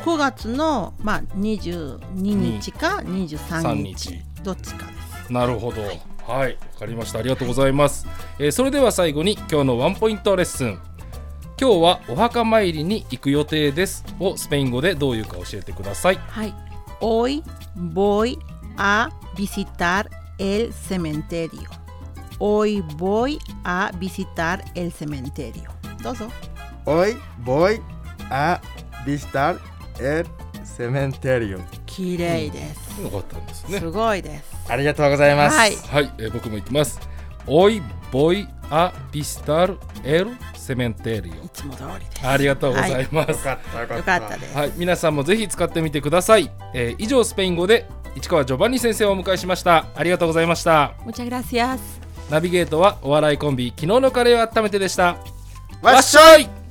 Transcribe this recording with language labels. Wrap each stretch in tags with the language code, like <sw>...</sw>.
<ja>9月の、まあ、22日か23日、どっちかです。なるほど、はい、わかりました。ありがとうございます。それでは最後に今日のワンポイントレッスン、今日はお墓参りに行く予定ですをスペイン語でどういうか教えてください。はい。</ja> <es>Hoy voy a visitar el cementerio. Hoy voy a visitar el cementerio.</es> <ja>どうぞ。</ja> <es>Hoy voy a visitar el cementerio.</es> <ja>綺麗です。よかったんですね。すごいです。ありがとうございます。はい。はい、僕も行きます。</ja> <es>Hoy voy a visitar el cementerio。</es> <ja>いつも通りです。ありがとうございます。はい、よかったです、はい。皆さんもぜひ使ってみてください。以上、スペイン語で市川ジョバンニ先生をお迎えしました。ありがとうございました。</ja> <es>Muchas gracias。</es> <ja>ナビゲートはお笑いコンビ、昨日のカレーを温めてでした。わっしょい！</ja>